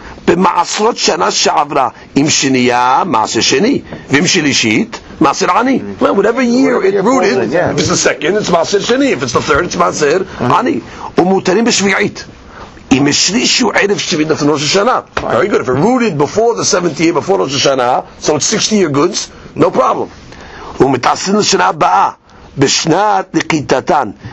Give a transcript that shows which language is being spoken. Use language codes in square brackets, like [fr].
[he] במעשרות שנה שעברה, אם שנייה, מעשר שני, ואם שלישית, מעשר עני. [en] Well, whatever year it rooted, if it's the 2nd, it's מעשר שני, if it's the 3rd, it's מעשר עני. [he] ומותרים בשביעית. אם השלישו ערב שביעית לפני ראש השנה. [en] Very good. If it rooted before the 7th year, before ראש השנה, so it's 60 year goods, no problem. [he] ומתעשרים לשנה הבאה, בשנת לקיטתן.